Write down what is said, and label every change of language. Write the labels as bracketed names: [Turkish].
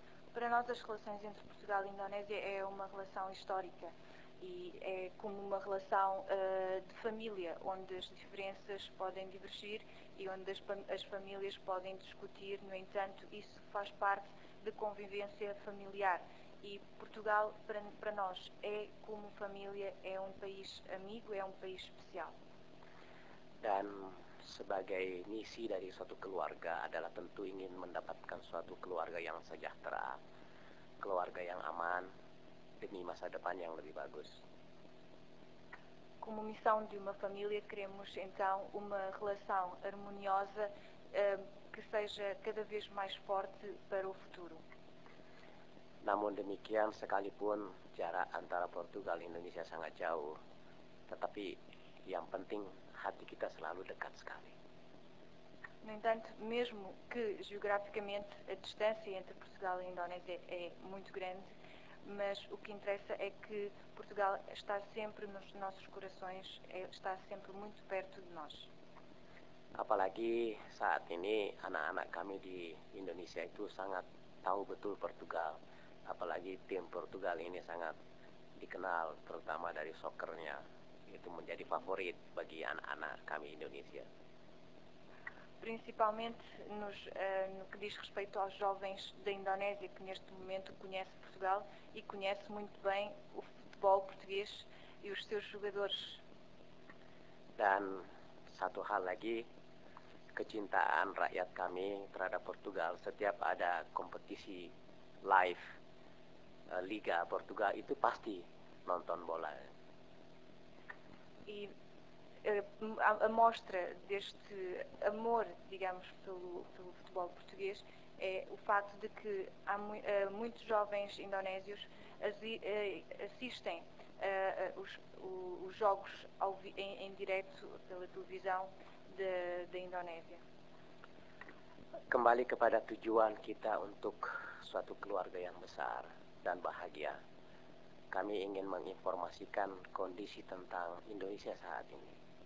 [Portuguese] Para nós as relações entre Portugal e Indonésia é uma relação histórica e é como uma relação de família, onde as diferenças podem divergir e onde as famílias podem discutir. No entanto, isso faz parte de convivência familiar, e Portugal para nós é como família, é um país amigo, é um país especial. [Indonesian] Dan sebagai misi dari suatu keluarga adalah tentu ingin mendapatkan suatu keluarga yang sejahtera, keluarga yang aman, demi masa depan yang lebih bagus. [Portuguese] Como missão de uma família, queremos então uma relação harmoniosa que seja cada vez mais forte para o futuro. [Indonesian] Namun demikian, sekalipun jarak antara Portugal dan Indonesia sangat jauh, tetapi yang penting hati kita selalu dekat sekali. [Portuguese] No entanto, mesmo que geograficamente a distância entre Portugal e Indonésia é muito grande, mas o que interessa é que Portugal está sempre nos nossos corações, está sempre muito perto de nós. [Indonesian] Apalagi saat ini anak-anak kami di Indonesia itu sangat tahu betul Portugal. Apalagi tim Portugal ini sangat dikenal, terutama dari sokernya, itu menjadi favorit bagi anak-anak kami Indonesia. [Portuguese] Principalmente no que diz respeito aos jovens da Indonésia, que neste momento conhece Portugal e conhece muito bem o futebol português e os seus jogadores. [Indonesian] Dan satu hal lagi, kecintaan rakyat kami terhadap Portugal, setiap ada kompetisi live Liga Portugal itu pasti nonton bola. [Portuguese] E a mostra deste amor, digamos, pelo futebol português é o facto de que há muitos jovens indonésios assistem os jogos em direto pela televisão da Indonésia. [Indonesian] Kembali kepada tujuan kita untuk suatu keluarga yang besar dan bahagia, kami ingin menginformasikan kondisi tentang Indonesia saat ini.